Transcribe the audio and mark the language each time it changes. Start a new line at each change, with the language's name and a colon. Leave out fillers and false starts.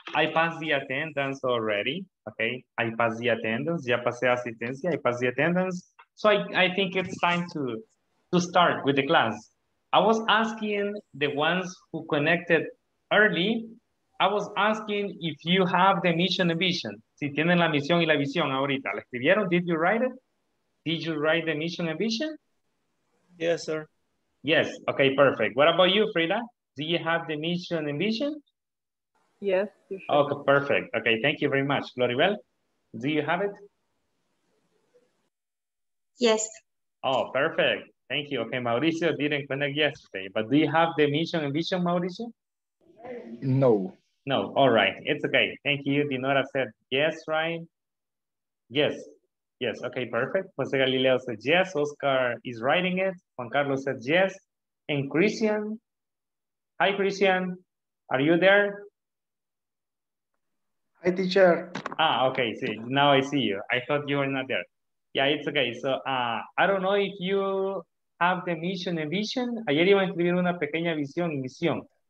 English: I passed the attendance already, okay? I passed the attendance,
Spanish: ya pasé asistencia,
English: I passed the attendance. So I think it's time to start with the class. I was asking the ones who connected early, I was asking if you have the mission and vision.
Spanish: Si tienen la misión y la visión ahorita, ¿la escribieron?
English: Did you write it? Did you write the mission and vision? Yes, sir. Yes, okay, perfect. What about you, Frida? Do you have the mission and vision? Yes, you should. Okay, perfect. Okay, thank you very much. Gloribel, do you have it? Yes. Oh, perfect. Thank you. Okay, Mauricio didn't connect yesterday, but do you have the mission and vision, Mauricio? No. No, all right. It's okay. Thank you. Dinora said yes, Ryan. Yes. Yes, okay, perfect. Jose Galileo said yes. Oscar is writing it. Juan Carlos said yes. And Christian. Hi, Christian. Are you there? Hi, teacher. Ah, okay, see. Now I see you. I thought you were not there. Yeah, it's okay. So I don't know if you have the mission and vision.
Spanish: Ayer iba a escribir una pequeña visión y misión.